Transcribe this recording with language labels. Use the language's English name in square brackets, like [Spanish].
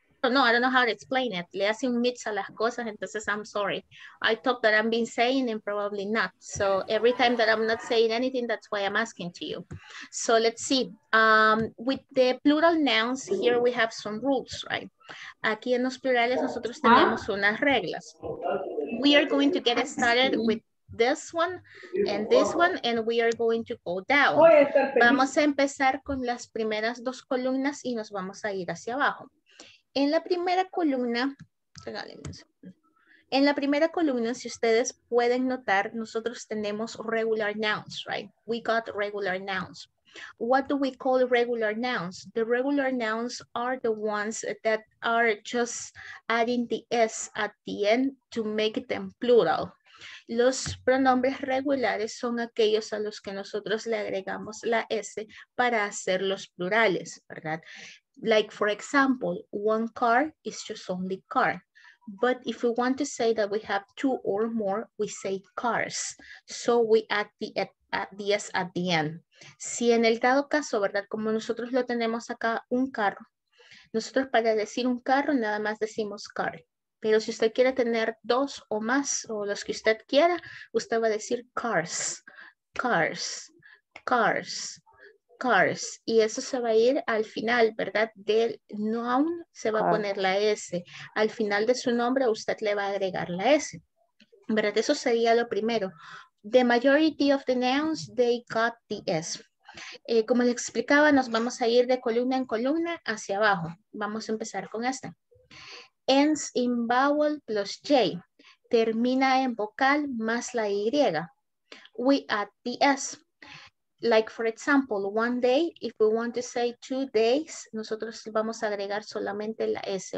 [English] no, I don't know how to explain it. [Spanish] Le hacen mix a las cosas, entonces [English] I'm sorry. I thought that I've been saying and probably not. So every time that I'm not saying anything, that's why I'm asking to you. So let's see. With the plural nouns, here we have some rules, right? [Spanish] Aquí en los plurales nosotros tenemos unas reglas. [English] We are going to get started with this one, and we are going to go down. [Spanish] Vamos a empezar con las primeras dos columnas y nos vamos a ir hacia abajo. En la primera columna, si ustedes pueden notar, nosotros tenemos [English] regular nouns, right? We got regular nouns. What do we call regular nouns? The regular nouns are the ones that are just adding the S at the end to make them plural. [Spanish] Los pronombres regulares son aquellos a los que nosotros le agregamos la S para hacerlos plurales, ¿verdad? [English] Like, for example, one car is just only car. But if we want to say that we have two or more, we say cars. So we add the S at the end. [Spanish] Si en el dado caso, ¿verdad? Como nosotros lo tenemos acá, un carro. Nosotros para decir un carro nada más decimos car. Pero si usted quiere tener dos o más, o los que usted quiera, usted va a decir cars, cars, cars, cars. Y eso se va a ir al final, ¿verdad? Del noun se va a poner la S. Al final de su nombre usted le va a agregar la S. ¿Verdad? Eso sería lo primero. [English] The majority of the nouns, they got the S. [Spanish] Como le explicaba, nos vamos a ir de columna en columna hacia abajo. Vamos a empezar con esta. [English] Ends in vowel plus J. [Spanish] Termina en vocal más la Y. [English] We add the S. Like, for example, one day. If we want to say 2 days, [Spanish] nosotros vamos a agregar solamente la S.